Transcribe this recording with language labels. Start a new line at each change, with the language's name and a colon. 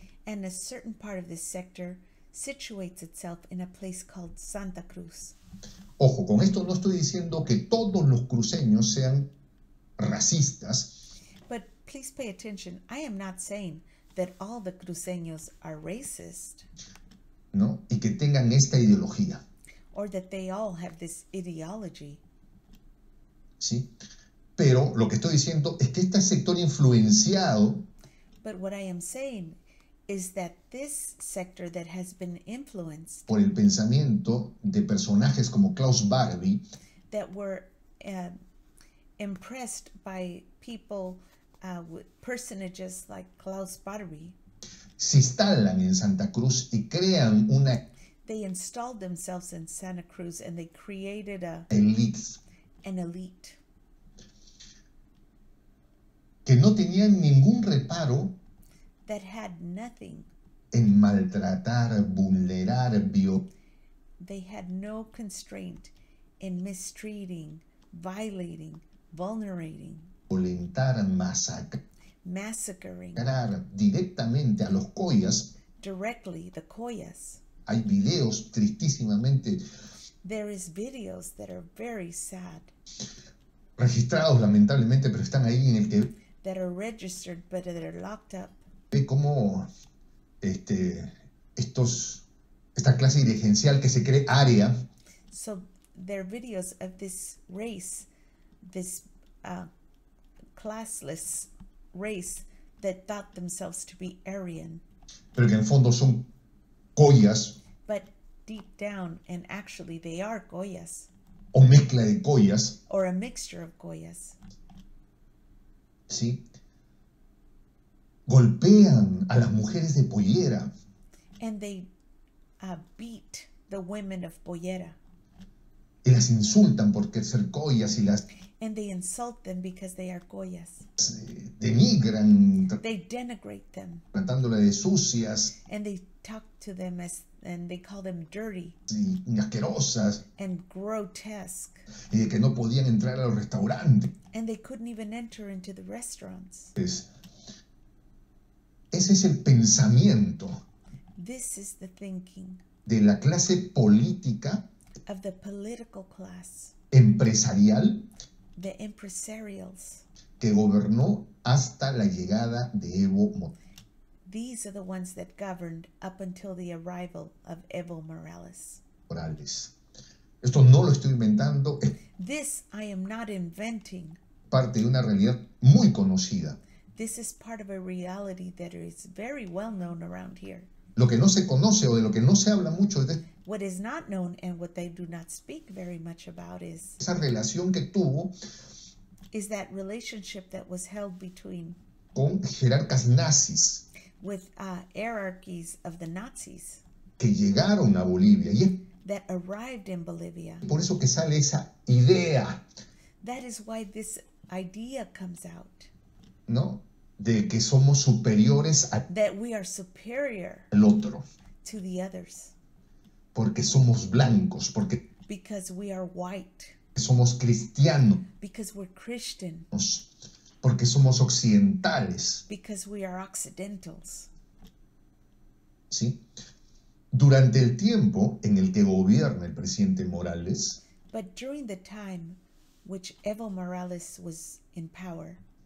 English: and a certain part of this sector situates itself in a place called Santa Cruz.
Spanish: Ojo, con esto no estoy diciendo que todos los cruceños sean racistas.
English: But please pay attention. I am not saying that all the cruceños are racist.
Spanish: ¿No? Y que tengan esta ideología.
English: Or that they all have this ideology.
Spanish: Sí. Pero lo que estoy diciendo es que este sector influenciado.
English: But what I am saying is that this sector that has been influenced
Spanish: por el pensamiento de personajes como Klaus Barbie,
English: that were impressed by people with personages like Klaus Barbie,
Spanish: se instalan en Santa Cruz y crean una,
English: they installed themselves in Santa Cruz and they created a
Spanish: elite,
English: an elite
Spanish: que no tenían ningún reparo
English: that had nothing
Spanish: en maltratar, vulnerar,
English: they had no constraint in mistreating, violating, vulnerating,
Spanish: violentar,
English: massacring
Spanish: directamente a los Collas,
English: directly the Collas.
Spanish: Hay videos tristísimamente,
English: there is videos that are very sad,
Spanish: registrados lamentablemente, pero están ahí en el que
English: that are registered but that are locked up.
Spanish: Ve cómo esta clase dirigencial que se cree aria.
English: So there are videos of this race, this classless race that thought themselves to be Aryan.
Spanish: Pero que en fondo son Collas.
English: But deep down, and actually they are Collas.
Spanish: O mezcla de Collas.
English: Or a mixture of Collas.
Spanish: Sí. Golpean a las mujeres de pollera.
English: And they beat the women of pollera.
Spanish: Y las insultan porque ser Collas y las.
English: And they insult them because they are Collas.
Spanish: Denigran.
English: They denigrate them.
Spanish: Tratándolas de sucias.
English: And they talk to them as, and they call them dirty.
Spanish: Y asquerosas.
English: And grotesque.
Spanish: Y de que no podían entrar a los restaurantes.
English: And they couldn't even enter into the restaurants.
Spanish: Pues, ese es el pensamiento.
English: This is the thinking
Spanish: de la clase política,
English: of the political class,
Spanish: empresarial,
English: the empresarials,
Spanish: que gobernó hasta la llegada de Evo Morales.
English: These are the ones that governed up until the arrival of Evo Morales.
Spanish: Morales. Esto no lo estoy inventando.
English: This I am not inventing.
Spanish: Parte de una realidad muy conocida.
English: This is part of a reality that is very well known around here.
Spanish: Lo que no se conoce o de lo que no se habla mucho de,
English: what is not known and what they do not speak very much about is
Spanish: esa relación que tuvo,
English: is that relationship that was held between
Spanish: con jerarcas nazis,
English: with hierarchies of the Nazis
Spanish: que llegaron a Bolivia y
English: that arrived in Bolivia.
Spanish: Y por eso que sale esa idea.
English: That is why this idea comes out.
Spanish: ¿No? De que somos superiores a
English: that we are superior
Spanish: al otro.
English: To the others.
Spanish: Porque somos blancos. Porque
English: because we are white.
Spanish: Somos cristianos.
English: Because we're Christian.
Spanish: Porque somos occidentales.
English: Because we are occidentals.
Spanish: ¿Sí? Durante el tiempo en el que gobierna el presidente Morales.
English: But during the time which Evo Morales was in power.